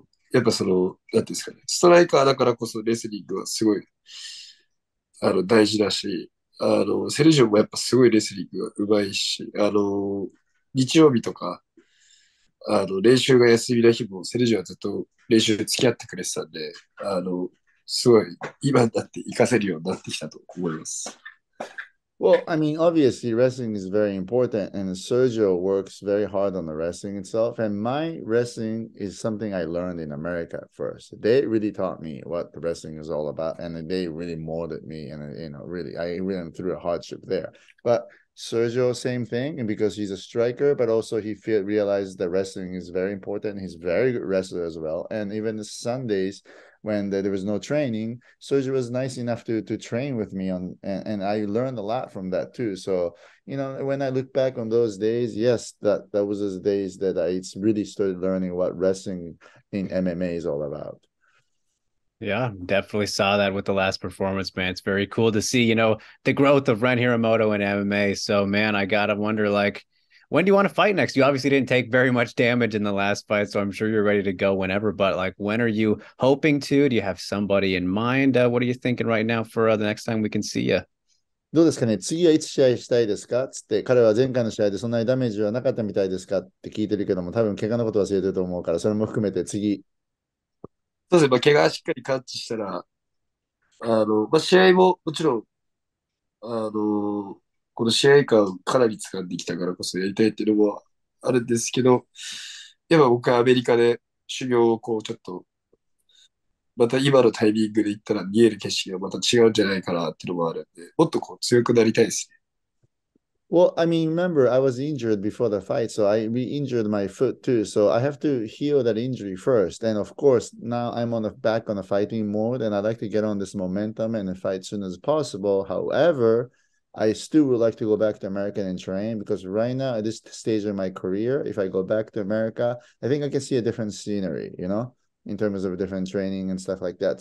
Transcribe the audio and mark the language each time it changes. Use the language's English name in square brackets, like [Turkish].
[Japanese] やっぱその、なんていうんですかね、ストライカーだからこそレスリングはすごい、大事だし、セルジオもやっぱすごいレスリングが上手いし、日曜日とか、練習が休みの日もセルジオはずっと練習で付き合ってくれてたんで、すごい、今だって活かせるようになってきたと思います。 [English] Well, I mean, obviously, wrestling is very important, and Sergio works very hard on the wrestling itself. And my wrestling is something I learned in America first. They really taught me what the wrestling is all about, and they really molded me, and, you know, really, I went through a hardship there. But Sergio, same thing, and because he's a striker, but also he realized that wrestling is very important, and he's a very good wrestler as well. And even Sundays, when there was no training, Sergio was nice enough to train with me on, and I learned a lot from that too. So, you know, when I look back on those days, yes, that was the days that I really started learning what wrestling in MMA is all about. Yeah, definitely saw that with the last performance, man. It's very cool to see, you know, the growth of Ren Hiramoto in MMA. So, man, I gotta wonder, like, when do you want to fight next? You obviously didn't take very much damage in the last fight, so I'm sure you're ready to go whenever. But, like, when are you hoping to? Do you have somebody in mind? What are you thinking right now for the next time we can see you? [Japanese] どうですかね、次はいつ試合したいですかつって、彼は前回の試合でそんなにダメージはなかったみたいですかって聞いてるけども、多分怪我のこと忘れてると思うから、それも含めて次。そうですね、怪我しっかり感知したら、試合ももちろん、この試合感をかなり掴んできたからこそやりたいっていうのもあるんですけど、やっぱ僕はアメリカで修行をこうちょっと、また今のタイミングで行ったら見える景色がまた違うんじゃないかなっていうのもあるんで、もっとこう強くなりたいですね。 [English] Well, I mean, remember, I was injured before the fight, so I re-injured my foot too. So I have to heal that injury first. And of course, now I'm back on the fighting mode, and I'd like to get on this momentum and fight as soon as possible. However, I still would like to go back to America and train, because right now, at this stage of my career, if I go back to America, I think I can see a different scenery, you know, in terms of different training and stuff like that.